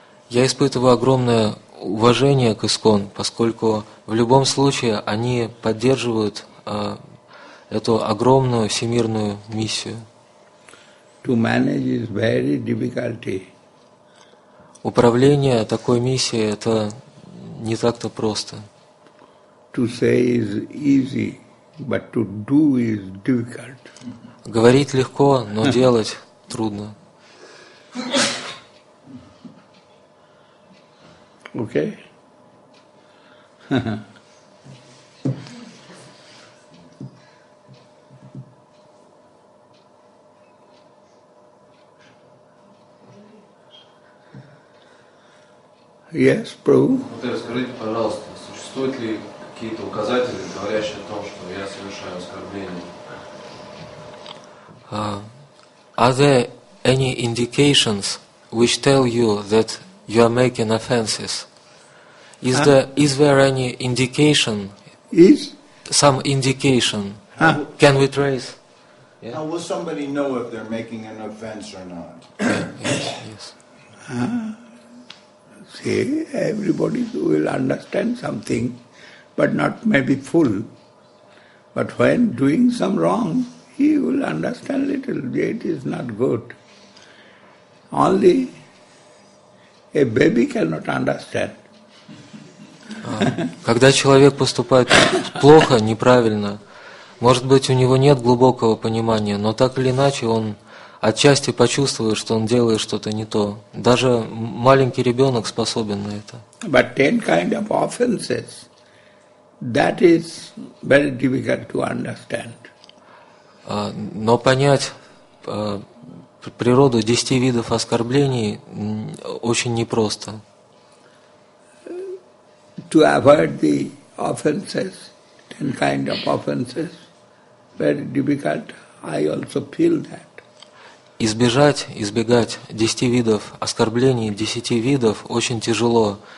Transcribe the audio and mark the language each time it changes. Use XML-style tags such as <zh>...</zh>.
<ru>Я испытываю огромное уважение к ИСКОН, поскольку в любом случае они поддерживают эту огромную всемирную миссию.</ru> <en>To manage is very difficult.</en> <ru>Управление такой миссией – это не так-то просто.</ru> <en>To say is easy, but to do is difficult.</en> <ru>Говорить легко, но делать трудно.</ru> <en>Okay? Yes, Prabhu.</en> <ru>Вот расскажите, пожалуйста, существуют ли какие-то указатели, говорящие о том, что я совершаю оскорбление?</ru> <en>Are there any indications which tell you that you are making offenses? Is there any indication? Is some indication? Can we trace? Yeah. How will somebody know if they're making an offense or not? Yes. See, everybody will understand something, but not maybe full. But when doing some wrong, he will understand little. It is not good. Only a baby cannot understand.</en> <ru>Когда человек поступает плохо, неправильно, может быть, у него нет глубокого понимания, но так или иначе он отчасти почувствует, что он делает что-то не то. Даже маленький ребенок способен на это.</ru> <en>But 10 kind of offenses, that is very difficult to understand.</en> <ru>Но понять природу 10 видов оскорблений очень непросто.</ru> <en>To avoid the offenses, 10 kind of offenses, very difficult. I also feel that.</en> <ru>Избегать 10 видов оскорблений, 10 видов очень тяжело.</ru>